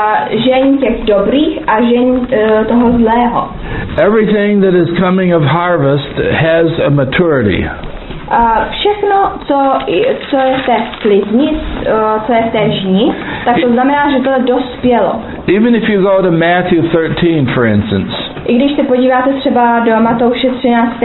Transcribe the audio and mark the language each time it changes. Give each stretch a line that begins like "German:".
Czech: žeň těch dobrých a žeň toho zlého.
English: Everything that is coming of harvest has a maturity.
Czech: Všechno, co je v té sklizni, co je v té žni, tak to znamená, že to dospělo.
English: Even if you go to Matthew 13, for instance.
Czech: I když se podíváte třeba do Matouše 13.